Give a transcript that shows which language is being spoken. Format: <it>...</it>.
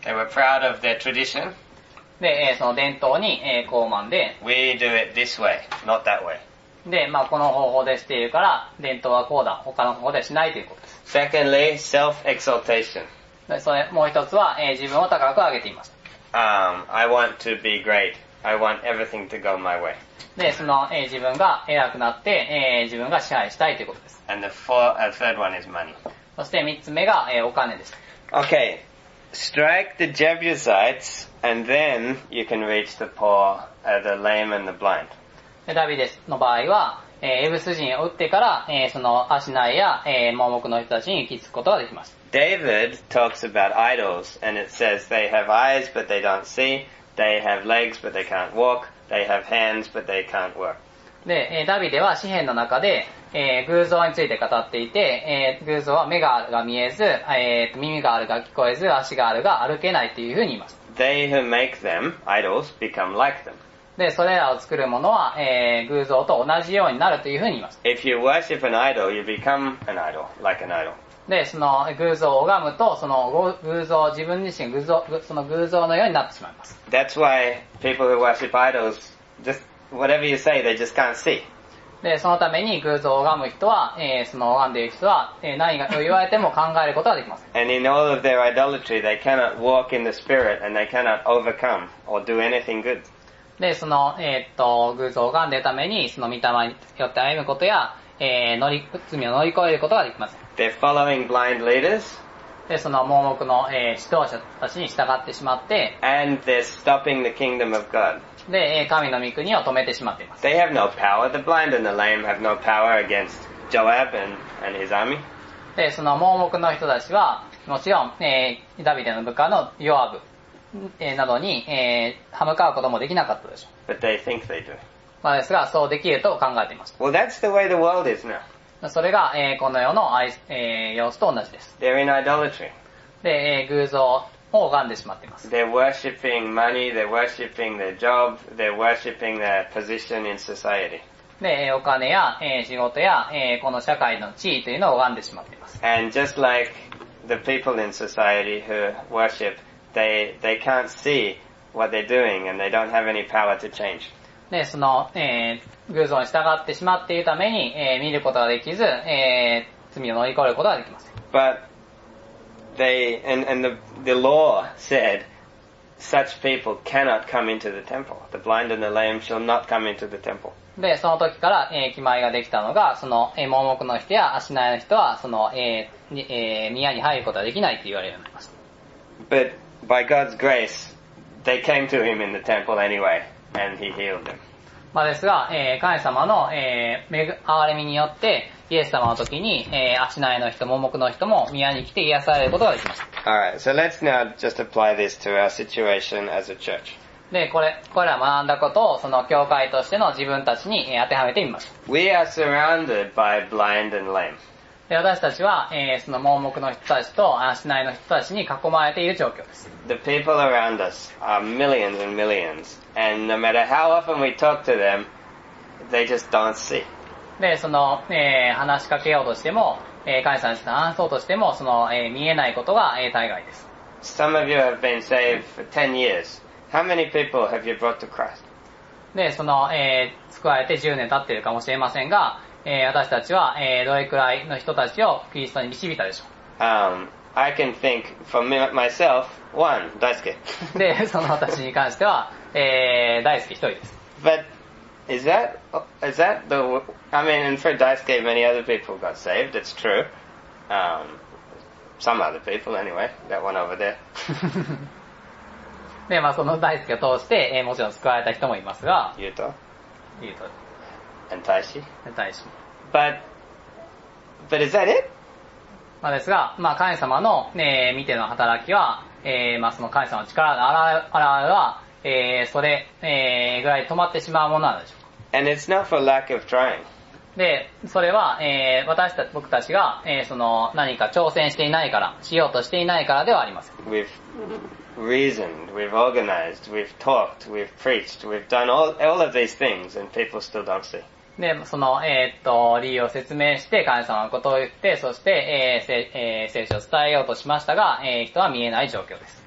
<en>they were proud of their tradition.</en> <ja>で、その伝統に傲慢で、</ja> <en>we do it this way, not that way.</en> <ja>で、まあ、この方法でしているから、伝統はこうだ、他の方法でしないということです。</ja> <en>Secondly, self-exaltation.</en> <ja>で、それ、もう一つは、自分を高く上げています。</ja> <en>I want to be great. I want everything to go my way.</en> <ja>で、その、自分が偉くなって、自分が支配したいということです。</ja> <en>And the third one is money.</en> <ja>そして三つ目が、お金です。</ja> <en>Okay. Strike the Jebusites, and then you can reach the poor, the lame and the blind.</en> <ja>ダビデの場合は、エブス人を撃ってから、その足苗や、盲目の人たちに行き着くことができます。</ja> <en>David talks about idols, and it says they have eyes but they don't see, they have legs but they can't walk, they have hands but they can't work.</en> <ja>で、ダビデは詩編の中で、偶像について語っていて、偶像は目があるが見えず、耳があるが聞こえず、足があるが歩けないというふうに言います。</ja> <en>They who make them, idols, become like them.</en> <ja>で、それらを作るものは、偶像と同じようになるというふうに言います。</ja> <en>If you worship an idol, you become an idol, like an idol.</en> <ja>で、その偶像を拝むと、その偶像、自分自身偶像、その偶像のようになってしまいます。</ja> <en>That's why people who worship idols, just whatever you say, they just can't see.</en> <ja>で、そのために偶像を拝む人は、その拝んでいる人は、何が言われても考えることはできません。</ja> <en>And in all of their idolatry, they cannot walk in the spirit and they cannot overcome or do anything good.</en> <ja>で、その、偶像が出るために、その御霊によって歩むことや、罪を乗り越えることができません。</ja> <en>They're following blind leaders.</en> <ja>で、その盲目の、指導者たちに従ってしまって、</ja> <en>And they're stopping the kingdom of God.</en> <ja>で、神の御国を止めてしまっています。</ja> <en>They have no power. The blind and the lame have no power against Joab and his army.</en> <ja>で、その盲目の人たちは、もちろん、ダビデの部下のヨアブ、などに、歯向かうこともできなかったでしょう。</ja> <en>But they think they do.</en> <ja>まあですが、そうできると考えていました。</ja> <en>Well, that's the way the world is now.</en> <ja>それが、この世の、様子と同じです。</ja> <en>They're in idolatry.</en> <ja>で、偶像を拝んでしまっています。</ja> <en>They're worshipping money, they're worshipping their job, they're worshipping their position in society.</en> <ja>で、お金や、仕事や、この社会の地位というのを拝んでしまっています。</ja> <en>And just like the people in society who worshipThey can't see what they're doing and they don't have any power to change.</en> <ja>で、その、偶像に従ってしまっているために、見ることができず、罪を乗り越えることはできません。</ja> <en>But they, and the law said such people cannot come into the temple. The blind and the lame shall not come into the temple.</en> <ja>で、その時から、決まりができたのが、その、盲目の人や足苗の人は、その、宮に入ることはできないと言われるようになりました。</ja> <en>ButBy God's grace, they came to him in the temple anyway, and he healed them.</en> <ja>まあですが、神様の、憐れみによって、イエス様の時に、足苗の人、盲目の人も宮に来て癒されることができました。</ja> <en>Alright, so let's now just apply this to our situation as a church.</en> <ja>で、これは学んだことを、その教会としての自分たちに、当てはめてみます。</ja> <en>We are surrounded by blind and lame.</en> <ja>で、私たちは、その盲目の人たちと足苗の人たちに囲まれている状況です。</ja> <en>The people around us are millions and millions, and no matter how often we talk to them, they just don't see.</en> <ja>で、その、話しかけようとしても、神様に話そうとしても、その、見えないことが、大概です。</ja> <en>Some of you have been saved for 10 years. How many people have you brought to Christ?</en> <ja>で、その、救われて10年経っているかもしれませんが、私たちは、どれくらいの人たちをキリストに導いたでしょう。</ja> <en>I can think for myself, one, 大輔。</en> <ja>で、その私に関しては、大輔一人です。</ja> <en>But, is that the, I mean, and for 大輔, many other people got saved, it's true. some other people anyway, that one over there.</en> <ja>で、まあその大輔を通して、もちろん救われた人もいますが、ゆうと。ゆうと。</ja> <en>And 大使。</en> <ja>大使。</ja> <en>But is that it?</en> <ja>まあですが、まあ神様の、見ての働きは、まあその神様の力の現れは、それ、ぐらい止まってしまうものなんでしょうか。</ja> <en>And it's not for lack of trying.</en> <ja>で、それは、私たち、僕たちが、その何か挑戦していないから、しようとしていないからではありません。</ja> <en>Reasoned, we've organized, we've talked, we've preached, we've done all of these things, and people still don't see.</en> <ja>で、その理由を説明して神様のことを言って、そして、聖書を伝えようとしましたが、人は見えない状況です。</ja>